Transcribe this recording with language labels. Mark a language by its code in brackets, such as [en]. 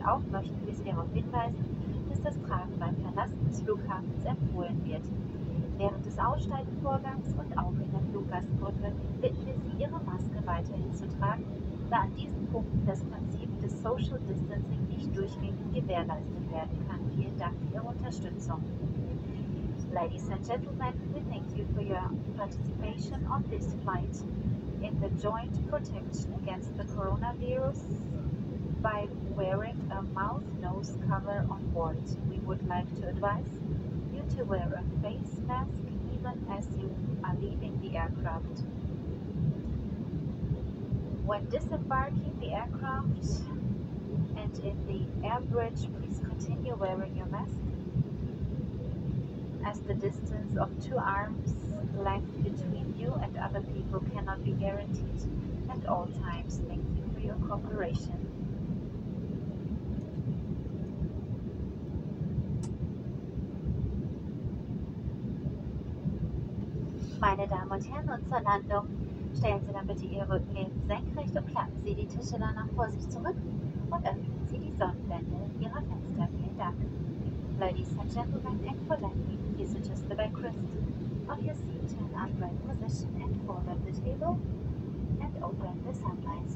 [de] Auch möchten wir Sie darauf hinweisen, dass das Tragen beim Verlassen des Flughafens empfohlen wird. Während des Aussteigevorgangs und auch in der Fluggastbrücke bitten wir Sie, Ihre Maske weiterhin zu tragen, da an diesem Punkt das Prinzip des Social Distancing nicht durchgängig gewährleistet werden kann. Vielen Dank für Ihre Unterstützung. [en] Ladies and gentlemen, we thank you for your participation on this flight in the joint protection against the coronavirus by wearing a mouth-nose cover on board. We would like to advise you to wear a face mask even as you are leaving the aircraft. When disembarking the aircraft and in the air bridge, please continue wearing your mask, as the distance of two arms length between you and other people cannot be guaranteed at all times. Thank you for your cooperation. [de] Meine Damen und Herren, und zur Landung stellen Sie dann bitte Ihre Rücken senkrecht und klappen Sie die Tische danach vor sich zurück und öffnen Sie die Sonnenblende Ihrer Fenster. Vielen Dank. [en] Ladies and gentlemen, and for landing, please adjust the backrest of your seat to an upright position and fold up the table and open the sun blinds.